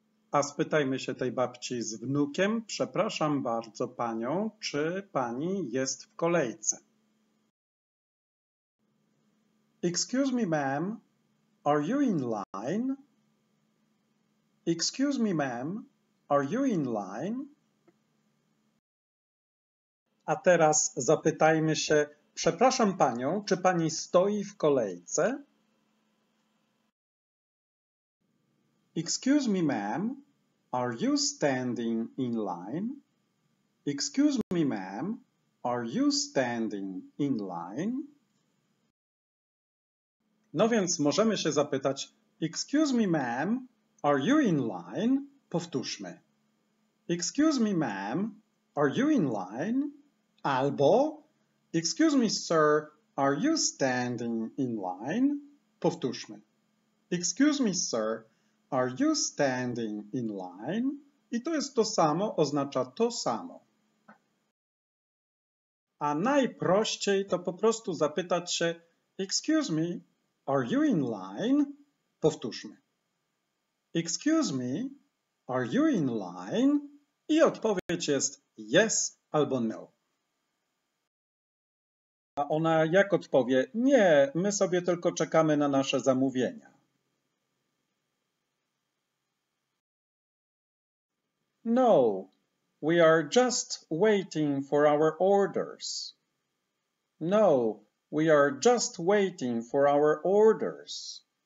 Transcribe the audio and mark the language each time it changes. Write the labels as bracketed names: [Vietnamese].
[Polish] A spytajmy się tej babci z wnukiem. Przepraszam bardzo panią, czy pani jest w kolejce? [English] Excuse me, ma'am, are you in line? Excuse me, ma'am, are you in line? [Polish] A teraz zapytajmy się, przepraszam panią, czy pani stoi w kolejce? [English] Excuse me, ma'am, are you standing in line? Excuse me, ma'am, are you standing in line? [Polish] No więc możemy się zapytać, [English] excuse me, ma'am, are you in line? [Polish] Powtórzmy. [English] Excuse me, ma'am, are you in line? [Polish] Albo, [English] excuse me, sir, are you standing in line? [Polish] Powtórzmy. [English] Excuse me, sir, are you standing in line? [Polish] I to jest to samo, oznacza to samo. A najprościej to po prostu zapytać się, [English] excuse me, are you in line? [Polish] Powtórzmy. [English] Excuse me, are you in line? [Polish] I odpowiedź jest yes albo no. A ona jak odpowie? Nie, my sobie tylko czekamy na nasze zamówienia. [English] No, we are just waiting for our orders. No, we are just waiting for our orders.